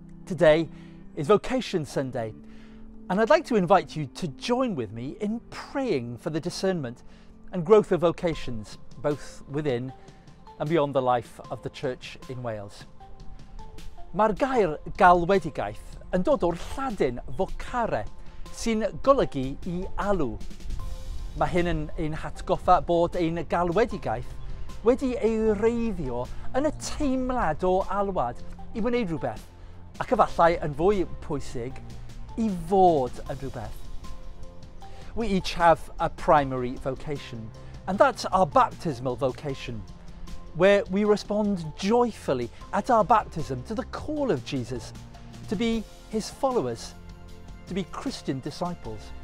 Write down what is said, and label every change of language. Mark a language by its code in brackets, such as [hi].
[en] Today is Vocation Sunday and I'd like to invite you to join with me in praying for the discernment and growth of vocations both within and beyond the life of the Church in Wales. [cy] Mae'r gair galwedigaeth yn dod o'r Lladin vocare sy'n golygu I alw. Mae hyn yn ein hatgoffa bod ein galwedigaeth wedi ei reiddio yn y teimlad o alwad I wneud rhywbeth ac efallai yn fwy pwysig I fod yn rhywbeth. [en] We each have a primary vocation and that's our baptismal vocation where we respond joyfully at our baptism to the call of Jesus to be his followers, to be Christian disciples.